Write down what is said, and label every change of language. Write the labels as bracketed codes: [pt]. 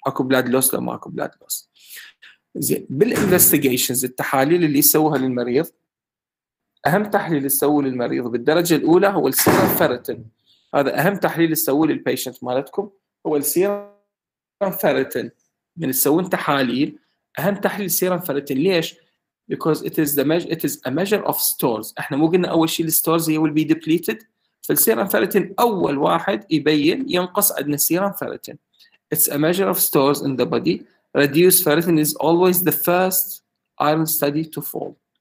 [ar] أكو blood loss لو ما أكو blood loss. زين، بالinvestigations التحاليل اللي يسووها للمريض، أهم تحليل يسووه للمريض بالدرجة الأولى هو serum ferritin. هذا أهم تحليل يسووه للpatient مالتكم هو serum ferritin. من يسوون تحاليل أهم تحليل serum ferritin. ليش؟ [en] because it is the measure, it is a measure of stores. [ar] احنا مو قلنا اول شيء الستورز هي [en] will be depleted، [ar] فالسيرم فيريتين اول واحد يبين ينقص عندنا السيرم فيريتين. [en] It's a measure of stores in the body. Reduced ferritin is always the first iron study to fall.